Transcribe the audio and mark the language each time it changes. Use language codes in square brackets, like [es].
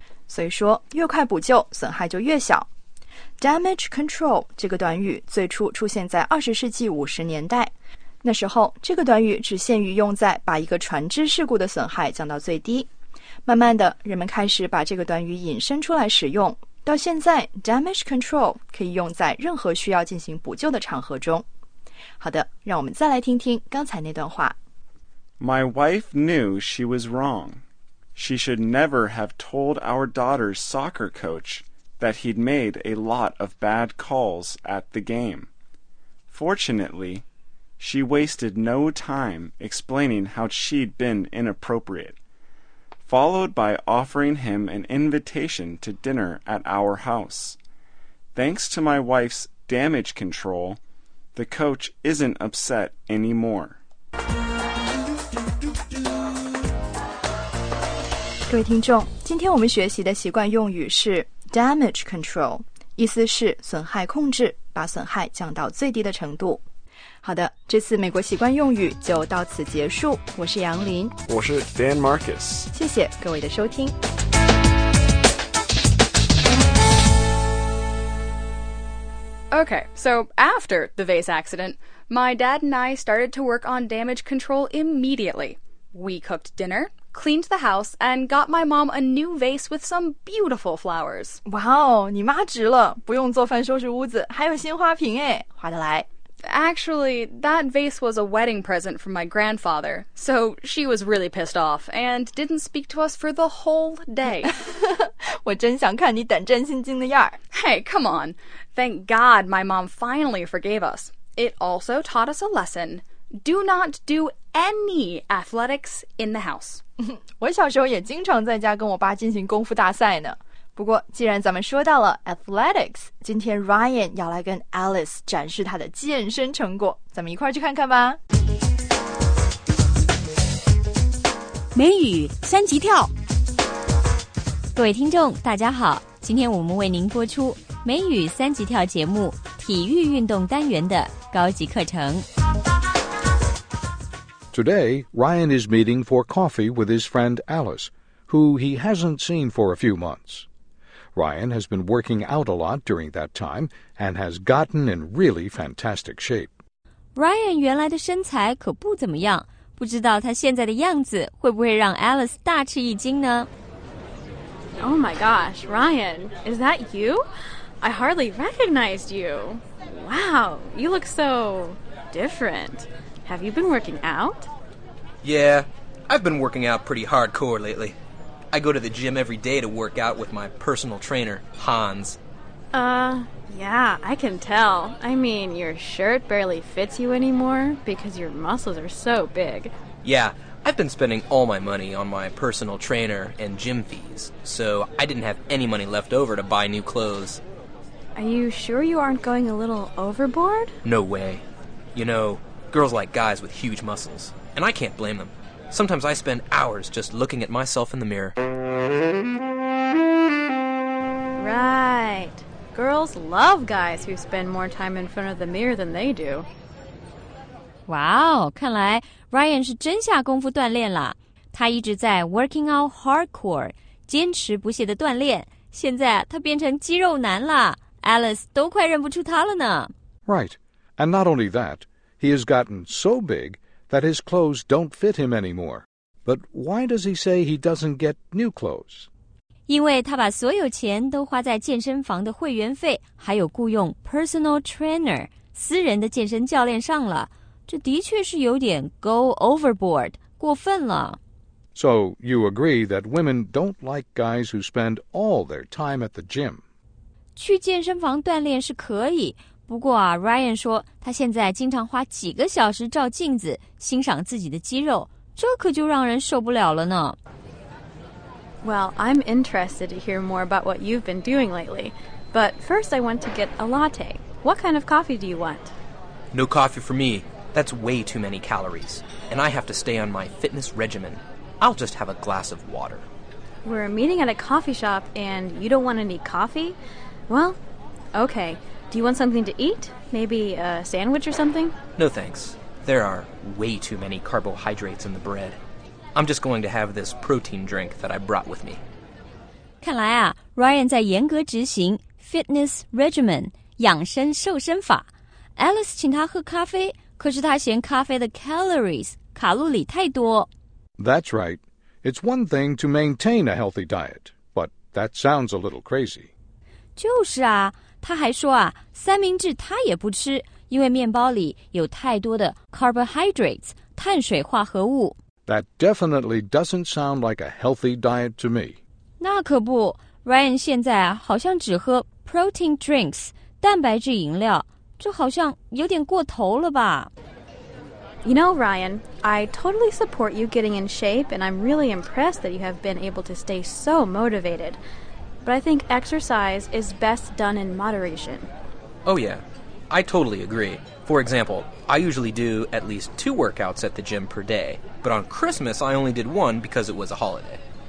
[zh] 所以说，越快补救，损害就越小。Damage control 这个短语最初出现在20世纪50年代，那时候这个短语只限于用在把一个船只事故的损害降到最低。慢慢的，人们开始把这个短语引申出来使用。到现在 ，damage control 可以用在任何需要进行补救的场合中。好的，让我们再来听听刚才那段话。 [en] My wife knew she was wrong. She should never have told our daughter's soccer coach that he'd made a lot of bad calls at the game. Fortunately, she wasted no time explaining how she'd been inappropriate, followed by offering him an invitation to dinner at our house. Thanks to my wife's damage control, the coach isn't upset anymore. [zh] 各位听众，今天我们学习的习惯用语是 damage control， 意思是损害控制，把损害降到最低的程度。好的，这次美国习惯用语就到此结束。我是杨林，我是 Dan Marcus，谢谢各位的收听。 [en] Okay, so after the vase accident, my dad and I started to work on damage control immediately. We cooked dinner. Cleaned the house and got my mom a new vase with some beautiful flowers. [zh] Wow, 你妈值了，不用做饭收拾屋子，还有鲜花瓶哎，划得来。 [en] Actually, that vase was a wedding present from my grandfather, so she was really pissed off and didn't speak to us for the whole day. [zh] 我真想看你胆战心惊的样儿。 [en] Hey, come on. Thank God my mom finally forgave us. It also taught us a lesson. Do not do any athletics in the house. [zh] 我小时候也经常在家跟我爸进行功夫大赛呢。不过既然咱们说到了 athletics， 今天 Ryan 要来跟 Alice 展示他的健身成果，咱们一块儿去看看吧。美语三级跳。各位听众大家好，今天我们为您播出美语三级跳节目体育运动单元的高级课程。 [en] Today, Ryan is meeting for coffee with his friend Alice, who he hasn't seen for a few months. Ryan has been working out a lot during that time and has gotten in really fantastic shape. [zh] Ryan 原来的身材可不怎么样，不知道他现在的样子会不会让 Alice 大吃一惊呢？ [en] Oh my gosh, Ryan, is that you? I hardly recognized you. Wow, you look so different.Have you been working out? Yeah, I've been working out pretty hardcore lately. I go to the gym every day to work out with my personal trainer, Hans. Yeah, I can tell. I mean, your shirt barely fits you anymore because your muscles are so big. Yeah, I've been spending all my money on my personal trainer and gym fees, so I didn't have any money left over to buy new clothes. Are you sure you aren't going a little overboard? No way. You know, girls like guys with huge muscles, and I can't blame them. Sometimes I spend hours just looking at myself in the mirror. Right. Girls love guys who spend more time in front of the mirror than they do. [zh] Wow, 看来 Ryan 是真下功夫锻炼了。他一直在 [en] working out hardcore, [zh] 坚持不懈的锻炼。现在他变成肌肉男了。Alice 都快认不出他了呢。 [en] Right, and not only that, he has gotten so big that his clothes don't fit him anymore. But why does he say he doesn't get new clothes? [zh] 因为他把所有钱都花在健身房的会员费，还有雇佣 personal trainer 私人的健身教练上了，这的确是有点 [en] go overboard [zh] 过分了。 [en] So you agree that women don't like guys who spend all their time at the gym? [zh] 去健身房锻炼是可以，不过啊 ，Ryan 说他现在经常花几个小时照镜子欣赏自己的肌肉，这可就让人受不了了呢。 [en] Well, I'm interested to hear more about what you've been doing lately. But first I want to get a latte. What kind of coffee do you want? No coffee for me. That's way too many calories. And I have to stay on my fitness regimen. I'll just have a glass of water. We're meeting at a coffee shop and you don't want any coffee? Well, okay. Do you want something to eat? Maybe a sandwich or something? No thanks. There are way too many carbohydrates in the bread. I'm just going to have this protein drink that I brought with me. [zh] 看来啊 ，Ryan 在严格执行 fitness regimen 养生瘦身法。 Alice 请他喝咖啡，可是他嫌咖啡的 calories 卡路里太多。 [en] That's right. It's one thing to maintain a healthy diet, but that sounds a little crazy. [zh] 就是啊，他还说啊，三明治他也不吃，因为面包里有太多的 carbohydrates 碳水化合物。 [en] That definitely doesn't sound like a healthy diet to me. [zh] 那可不 ，Ryan 现在好像只喝 protein drinks 蛋白质饮料，这好像有点过头了吧 [en] ？You know, Ryan, I totally support you getting in shape, and I'm really impressed that you have been able to stay so motivated. But I think exercise is best done in moderation. Oh yeah, I totally agree. For example, I usually do at least 2 workouts at the gym per day, but on Christmas I only did 1 because it was a holiday.